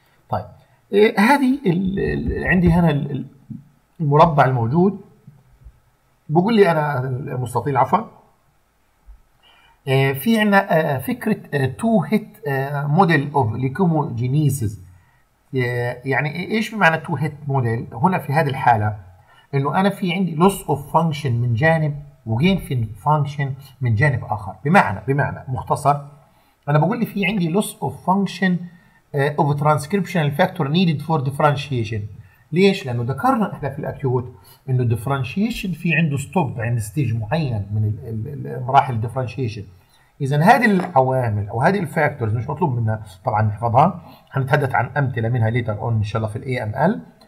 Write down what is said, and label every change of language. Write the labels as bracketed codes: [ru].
[ar] طيب هذه عندي هنا المربع الموجود بقول لي أنا مستطيل عفوا، في عندنا فكرة [en] two hit model of leukemogenesis. [ar] يعني إيش بمعنى [en] two hit model؟ [ar] هنا في هذه الحالة انه انا في عندي [en] loss of function [ar] من جانب وgain في function من جانب اخر. بمعنى مختصر انا بقول لي في عندي [en] loss of function of transcriptional factor needed for differentiation، [ar] ليش؟ لانه ذكرنا احنا في الاكيوت انه الديفرنشيشن في عنده ستوب عند ستيج معين من المراحل الديفرنشيشن. اذا هذه العوامل او هذه الفاكتورز مش مطلوب منها طبعا نحفظها، هنتحدث عن امثله منها ليتر اون ان شاء الله في الاي ام ال.